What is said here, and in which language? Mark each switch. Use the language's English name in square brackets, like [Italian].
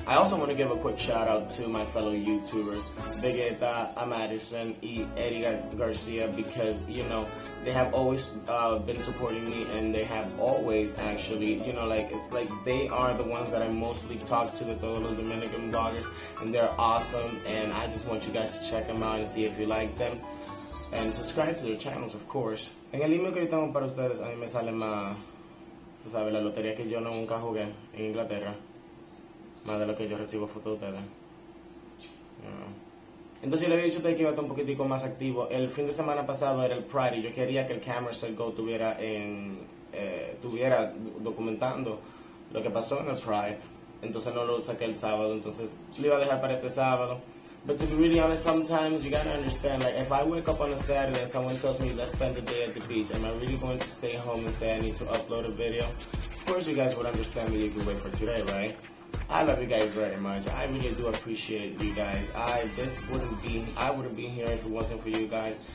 [English] I also want to give a quick shout out to my fellow YouTubers, Vegeta, Amadyson, and Eddie Garcia, because, you know, they have always been supporting me, and they have always actually, you know, like, it's like they are the ones that I mostly talk to, the Doodle Dominican bloggers, and they're awesome, and I just want you guys to check them out and see if you like them. And subscribe to their channels, of course. [Spanish] En el email que yo tengo para ustedes, a mí me sale más. Tú sabes, la lotería que yo nunca jugué en Inglaterra. Más de lo que yo recibo fotos de ustedes. Entonces yo le había dicho a ustedes que iba a estar un poquitico más activo. El fin de semana pasado era el Pride y yo quería que el Camera Set Go tuviera en... tuviera documentando lo que pasó en el Pride. Entonces no lo saqué el sábado, entonces lo iba a dejar para este sábado. [English] But to be really honest, sometimes you gotta understand, like, if I wake up on a Saturday and someone tells me, let's spend the day at the beach, am I really going to stay home and say I need to upload a video? Of course you guys would understand that you could wait for today, right? I love you guys very much. I really do appreciate you guys. I wouldn't be here if it wasn't for you guys.